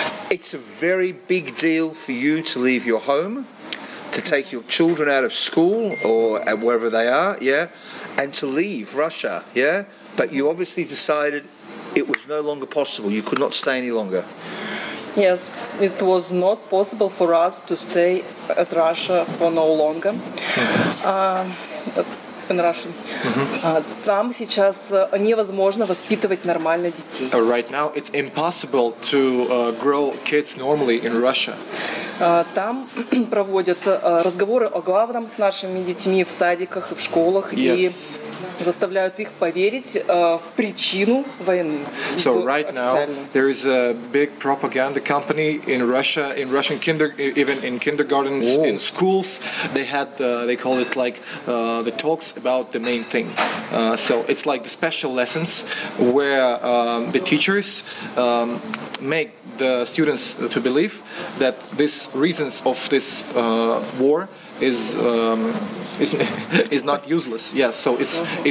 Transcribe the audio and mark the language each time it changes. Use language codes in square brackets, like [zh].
[en] It's a very big deal for you to leave your home, to take your children out of school or wherever they are, yeah, and to leave Russia, yeah? But you obviously decided... It was no longer possible. You could not stay any longer. Yes, it was not possible for us to stay at Russia for no longer. In Russian. [ru] Там сейчас невозможно воспитывать нормально детей. [en] Right now, it's impossible to grow kids normally in Russia. [ru] Там проводят разговоры о главном с нашими детьми в садиках и в школах [en] yes. [ru] и заставляют их поверить в причину войны. [en] So right now there is a big propaganda company in Russia, in Russian kinder, even in kindergartens, oh. in schools. They had, they call it like the talks about the main thing. So it's like the special lessons where the teachers make the students to believe that this reasons of this war is not useless. Yes, yeah, so it's uh-huh.